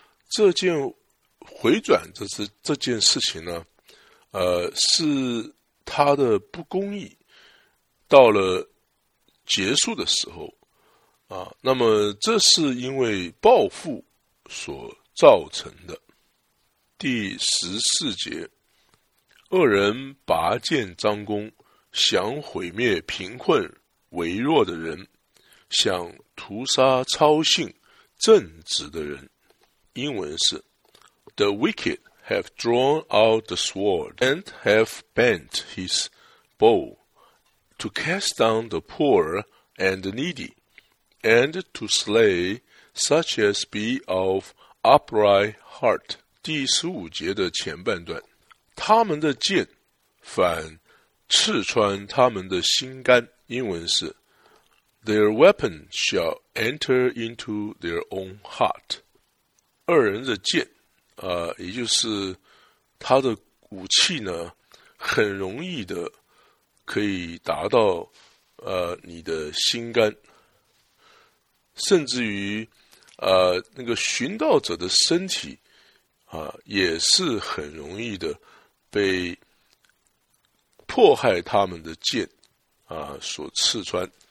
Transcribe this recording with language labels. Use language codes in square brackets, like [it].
[zh] 这件回转的 这件事情呢，是他的不公义到了结束的时候啊，那么这是因为报复所造成的。第14节，恶人拔剑张弓，想毁灭贫困微弱的人，想屠杀超性正直的人。英文是 [en] The wicked have drawn out the sword and have bent his bow to cast down the poor and the needy, and to slay such as be of upright heart. [zh] 第十五节的前半段，他们的剑反刺穿他们的心肝，英文是 [en] Their weapon shall enter into their own heart。 [zh] 恶人的剑也就是他的武器呢，很容易的可以达到你的心肝，甚至于那个寻道者的身体也是很容易的被迫害他们的剑所刺穿。